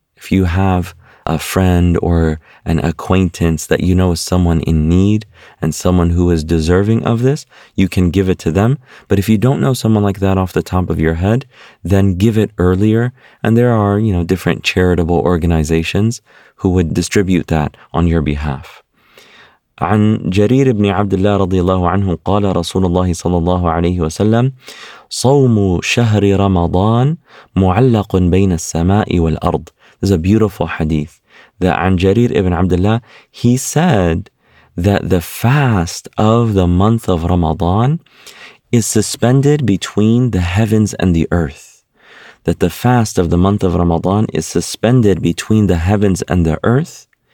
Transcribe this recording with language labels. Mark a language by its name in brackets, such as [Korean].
[English] If you have a friend or an acquaintance that you know is someone in need and someone who is deserving of this, you can give it to them. But if you don't know someone like that off the top of your head, then give it earlier. And there are, you know, different charitable organizations who would distribute that on your behalf. [Arabic] عن جرير بن عبد الله رضي الله عنه قال رسول الله صلى الله عليه وسلم صوم شهر رمضان معلق بين السماء والأرض. [English] This is a beautiful hadith that [Arabic] عن جرير ابن عبد الله, [English] he said that the fast of the month of Ramadan is suspended between the heavens and the earth. That the fast of the month of Ramadan is suspended between the heavens and the earth.